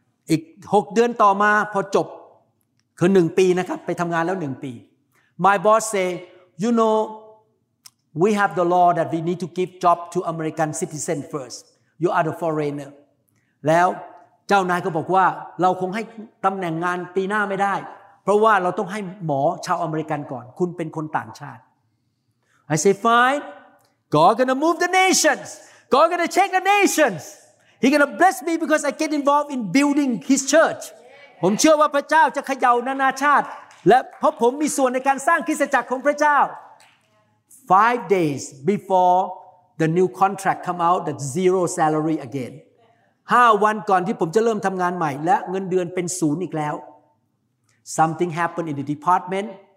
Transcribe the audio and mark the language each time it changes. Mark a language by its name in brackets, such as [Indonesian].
[Thai] อีก6เดือนต่อมาพอจบคือ1ปีนะครับไปทำงานแล้ว1ปี [English] My boss say, you know, we have the law that we need to give job to American citizen first. You are the foreigner. [Thai] แล้วเจ้านายก็บอกว่าเราคงให้ตำแหน่งงานปีหน้าไม่ได้เพราะว่าเราต้องให้หมอชาวอเมริกันก่อนคุณเป็นคนต่างชาติ [English] I say, fine. God gonna move the nations. God gonna check the nationsHe's going to bless me because I get involved in building his church. [Thai] ผมเชื่อว่าพระเจ้าจะเขย่านานาชาติและเพราะผมมีส่วนในการสร้างคริสตจักรของพระเจ้า [English] 5 days before the new contract come out that zero salary again. [Thai] 5วันก่อนที่ผมจะเริ่มทำงานใหม่และเงินเดือนเป็น0อีกแล้ว [English] Something happened in the department.